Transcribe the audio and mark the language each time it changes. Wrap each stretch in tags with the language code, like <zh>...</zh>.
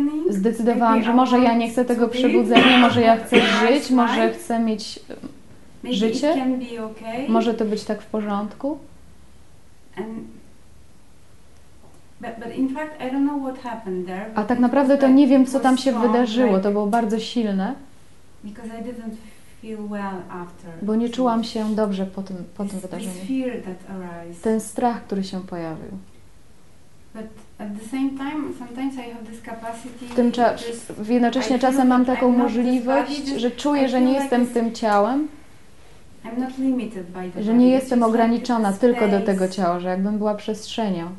<pl>Zdecydowałam, że może ja nie chcę tego przebudzenia, może ja chcę żyć, może chcę mieć życie. Może to być tak w porządku.</pl> <en>But in fact I don't know what happened there.</en> <pl>A tak naprawdę to nie wiem, co tam się wydarzyło. To było bardzo silne.</pl> <en>Because I didn't feel well after.</en> <pl>Bo nie czułam się dobrze po tym wydarzeniu.</pl> <en>Fear that arise.</en> <pl>Ten strach, który się pojawił.</pl> <en>But at the same time sometimes I have this capacity.</en> <pl>Jednocześnie czasem mam taką możliwość, że czuję, że nie jestem tym ciałem.</pl> <en>I'm not limited by the</en> <pl>że nie jestem ograniczona tylko do tego ciała, że jakbym była przestrzenią.</pl>